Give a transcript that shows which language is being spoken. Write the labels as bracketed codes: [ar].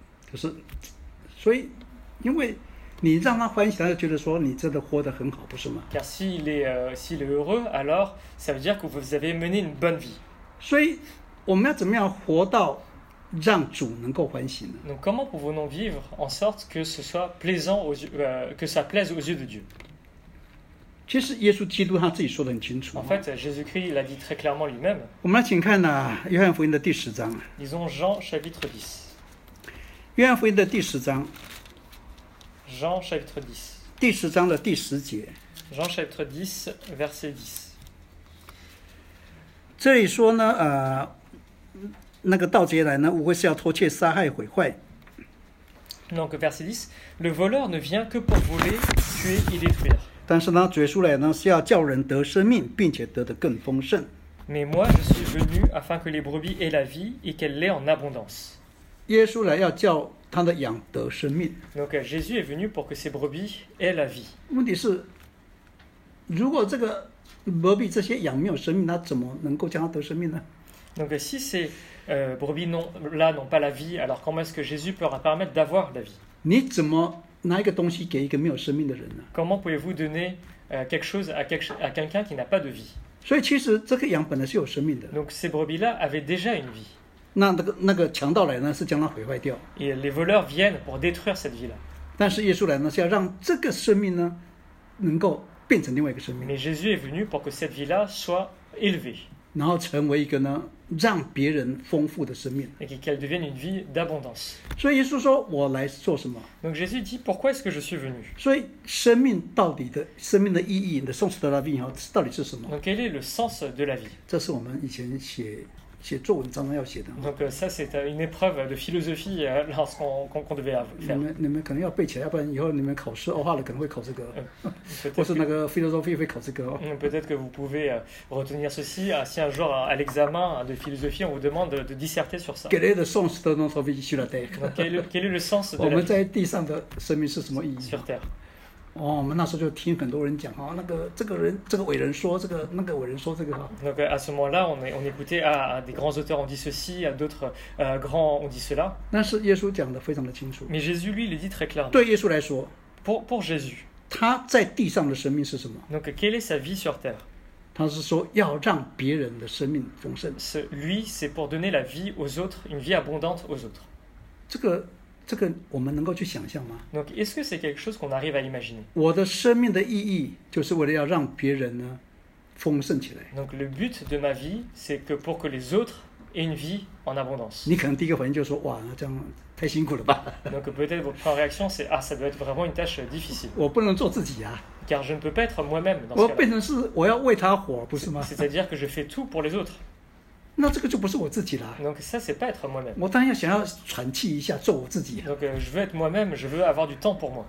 [zh] 可是，所以，因为你让他欢喜，他就觉得说你真的活得很好，不是吗？ [fr] Car s'il est, s'il est heureux, alors ça veut dire que vous avez mené une bonne vie. [zh] 所以我们要怎么样活到让主能够欢喜呢？ [fr] Donc comment pouvons-nous vivre en sorte que ce soit plaisant aux yeux, que ça plaise aux yeux de Dieu? [zh] 其实耶稣基督他自己说得很清楚。 [fr] En fait, Jésus-Christ l'a dit très clairement lui-même. [zh] 我们来请看呢，约翰福音的第十章。 [fr] Disons Jean chapitre 10. [zh] 约翰福音的第十章。 [fr] Jean chapitre 10. [zh] 第十章的第十节。 [fr] Jean chapitre 10, verset 10. [zh] 这里说呢，那个盗贼来呢，无非是要偷窃、杀害、毁坏。 [fr] Donc verset 10, le voleur ne vient que pour voler, tuer et détruire. [zh] 但是呢，主耶稣来呢，是要叫人得生命，并且得的更丰盛。 [fr] Mais moi, je suis venu afin que les brebis aient la vie et qu'elles l'aient en abondance. [zh] 耶稣来要叫他的羊得生命。 [fr] Donc Jésus est venu pour que ses brebis aient la vie. [zh] 问题是，如果这个 brebis 这些羊没有生命，那怎么能够叫他得生命呢？ [fr] Donc si ces brebis non, là n'ont pas la vie, alors comment est-ce que Jésus pourra permettre d'avoir la vie? [zh] 你怎么拿一个东西给一个没有生命的人呢？ [fr] Comment pouvez-vous donner quelque chose à quelqu'un qui n'a pas de vie? [zh] 所以其实这个羊本来是有生命的。 [fr] Donc ces brebis-là avaient déjà une vie. [zh] 那个强盗来呢，是将它毁坏掉。 [fr] Et les voleurs viennent pour détruire cette vie-là. [zh] 但是耶稣来呢，是要让这个生命呢，能够变成另外一个生命。 [fr] Mais Jésus est venu pour que cette vie-là soit élevée. [zh] 然后成为一个呢，让别人丰富的生命。 [fr] Et qu'elle devienne une vie d'abondance. [zh] 所以耶稣说：“我来做什么？” [fr] Donc Jésus dit: Pourquoi est-ce que je suis venu? [zh] 所以生命到底的生命的意义的 [fr] sens de la vie [zh] 到底是什么？ [fr] Donc quel est le sens de la vie? [zh] 这是我们以前写作文常常要写的。 [fr] Donc ça c'est une épreuve de philosophie lorsqu'on devait faire. [zh] 你们可能要背起来，要不然以后你们考试欧化了可能会考这个，或是那个 philosophie 会考这个。 [fr] Peut-être que vous pouvez retenir ceci si un jour à l'examen de philosophie on vous demande de disserter sur ça. Quel est le sens de notre vie sur la terre? Quel est le sens de la vie? [zh] 我们在地上的生命是什么意义？ [fr] Sur terre. [zh] 哦，我们那时候就听很多人讲哈、哦，那个这个人这个伟人说这个那个伟人说这个哈。 [fr] Donc à ce moment-là, on écoutait à des grands auteurs ont dit ceci, à d'autres grands ont dit cela. [zh] 但是耶稣讲的非常的清楚。 [fr] Mais Jésus lui le dit très clairement. [zh] 对耶稣来说 [fr] ，pour Jésus， [zh] 他在地上的生命是什么 [fr] ？Donc quelle est sa vie sur terre？ [zh] 他是说要让别人的生命丰盛。 [fr] Lui c'est pour donner la vie aux autres, une vie abondante aux autres. [zh] 这个我们能够去想象吗？ [fr] Donc, est-ce que c'est quelque chose qu'on arrive à imaginer? [zh] 我的生命的意义就是为了要让别人呢丰盛起来。 [fr] Donc, le but de ma vie, c'est que pour que les autres aient une vie en abondance. [zh] 你可能第一个反应就是说，哇，这样太辛苦了吧。 [fr] Donc, peut-être votre première réaction, c'est, ah, ça doit être vraiment une tâche difficile. [zh] 我不能做自己啊。 [fr] Car je ne peux pas être moi-même dans ce cas-là. [zh] 我变成是我要为他活，不是吗？ [fr] C'est-à-dire que je fais tout pour les autres. [zh] 那这个就不是我自己了。 [fr] Donc ça c'est pas être moi-même. [zh] 我当然要想要喘气一下，做我自己。 [fr] Donc je veux être moi-même, je veux avoir du temps pour moi.